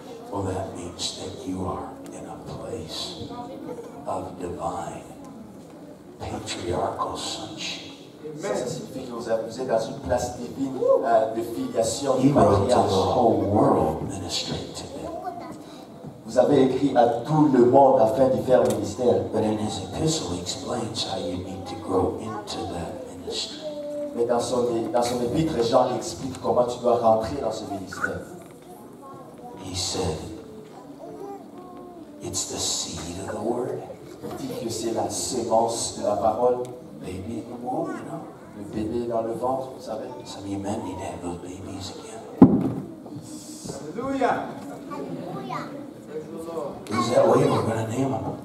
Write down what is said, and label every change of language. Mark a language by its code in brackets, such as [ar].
[en] Well, that means that you are in a place of divine patriarchal sonship. [fr] Ça signifie que vous êtes dans une place divine de filiation. [en] He wrote to the whole world ministering to them. [fr] Vous avez écrit à tout le monde afin d'y faire ministère. [en] But in his epistle, he explains how you need to grow into that ministry. [fr] Mais dans son épître, Jean explique comment tu dois rentrer dans ce ministère. [en] He said, it's the seed of the word. [fr] Il dit que c'est la semence de la parole. [en] Baby in the womb, you know. [fr] Le bébé dans le ventre, vous savez. [en] Some of you men need to have those babies again. Hallelujah. Is that way we're going to name them?